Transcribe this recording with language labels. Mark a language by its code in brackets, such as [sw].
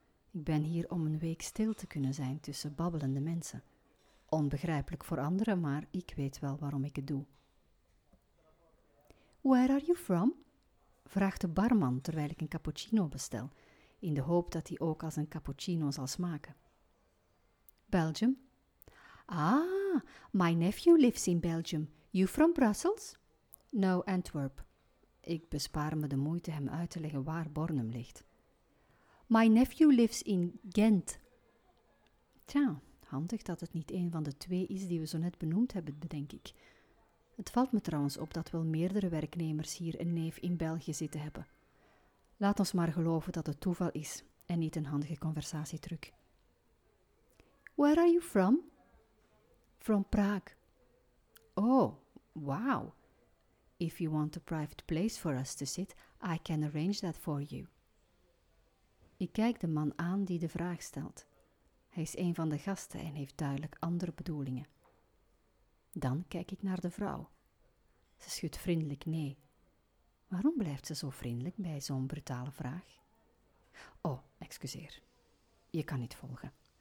[nl] Ik ben hier om een week stil te kunnen zijn tussen babbelende mensen. Onbegrijpelijk voor anderen, maar ik weet wel waarom ik het doe. [en] Where are you from? [nl] Vraagt de barman terwijl ik een cappuccino bestel, in de hoop dat hij ook als een cappuccino zal smaken. [en] Belgium. Ah, my nephew lives in Belgium. You from Brussels? No, Antwerp. [nl] Ik bespaar me de moeite hem uit te leggen waar Bornem ligt. [en] My nephew lives in Ghent. [nl] Tja, handig dat het niet een van de twee is die we zo net benoemd hebben, bedenk ik. Het valt me trouwens op dat wel meerdere werknemers hier een neef in België zitten hebben. Laat ons maar geloven dat het toeval is en niet een handige conversatietruc. [en] Where are you from? From Praag. Oh, wow. If you want a private place for us to sit, I can arrange that for you. [nl] Ik kijk de man aan die de vraag stelt. Hij is een van de gasten en heeft duidelijk andere bedoelingen. Dan kijk ik naar de vrouw. Ze schudt vriendelijk nee. Waarom blijft ze zo vriendelijk bij zo'n brutale vraag? Oh, excuseer. Je kan niet volgen.